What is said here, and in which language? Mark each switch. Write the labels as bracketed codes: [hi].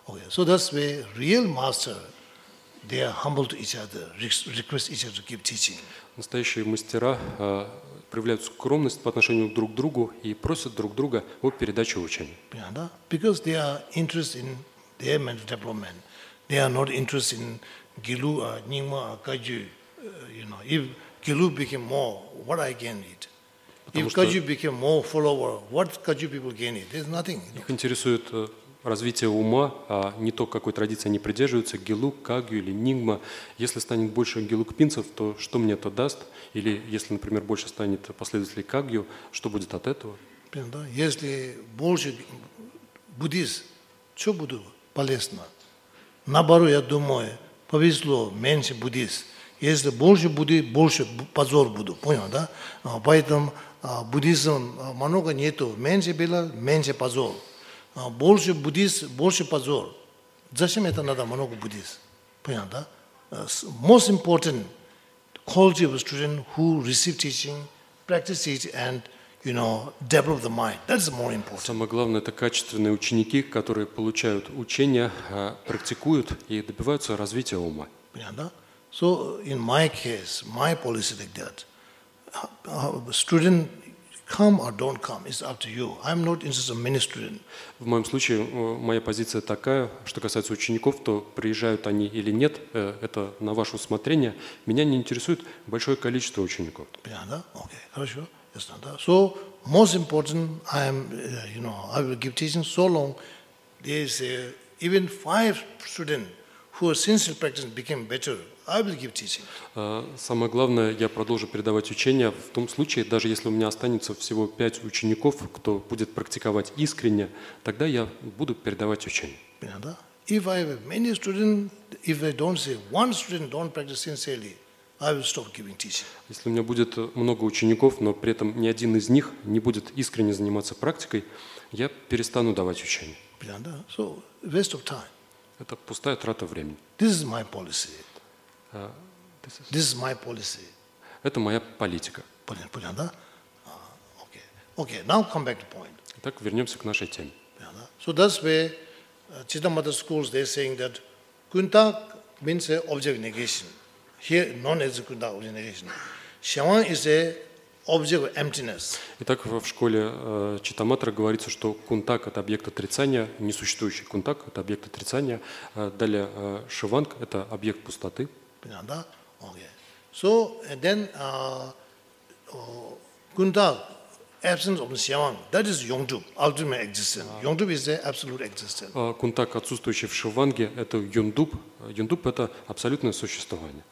[en] So that's where real master, they are humble to each other, request each other to give teaching. [ru] Настоящие мастера проявляют скромность по отношению друг к другу и просят друг друга о передаче учения. [en] Because they are interested in their mental development. They are not interested in Gilu, Nyingma, Kagyu. If Gilu became more, what I gain it? If Kagyu became more follower, what Kagyu people gain it? There's nothing. [ru] Их интересует развитие ума, а не то, какой традиции они придерживаются, Гилу, Кагью или Нингма. Если станет больше гилукпинцев, то что мне это даст? Или если, например, больше станет последователей Кагью, что будет от этого? Если больше буддист, что будет полезно? Наоборот, я думаю, повезло, меньше буддист. Если больше будет, больше позор будет. Понял, да? Поэтому буддизм много нету. Меньше было, меньше позор. Больше буддист, больше позор. Зачем это надо много буддист? Понял, да? [en] Most important quality of a student who receive teaching, practice it and, develop the mind. That's more important. [ru] Самое главное – это качественные ученики, которые получают учение, практикуют и добиваются развития ума. Понял, да? [en] So, in my case, my policy like that. Student come or don't come, it's up to you. I'm not interested in many students. [ru] В моем случае, моя позиция такая, что касается учеников, то приезжают они или нет, это на ваше усмотрение. Меня не интересует большое количество учеников. Понятно, да? Окей, хорошо. Ясно, да? [en] So, most important, I will give teaching so long, there's even 5 students who are sincere practicing became better. I will give teaching. [ru] Самое главное, я продолжу передавать учение в том случае, даже если у меня останется всего 5 учеников, кто будет практиковать искренне, тогда я буду передавать учение. Понятно, да? [en] If I have many students, if I don't say one student don't practice sincerely, I will stop giving teaching. [ru] Если у меня будет много учеников, но при этом ни один из них не будет искренне заниматься практикой, я перестану давать учение. Понятно, да? [en] So, waste of time. [ru] Это пустая трата времени. [en] This is my policy. This is my policy. [ru] Это моя политика. Понятно, да? [en] Okay. Now come back to point. [ru] Итак, вернемся к нашей теме. Понятно. [en] So that's where Chittamata schools they're saying that kunta means object negation. Here known as kunta object negation. Shaman is a object of emptiness. [ru] Итак, в школе Читаматра говорится, что кунтак – это объект отрицания, несуществующий кунтак – это объект отрицания. Далее шаванг – это объект пустоты. Понятно, да? Okay. [en] So, and then, kuntak, absence of shavang, that is yongjub, ultimate existence. Yongjub is the absolute existence. [ru] Кунтак, отсутствующий в шаванге, это юндуб. Юндуб – это абсолютное существование.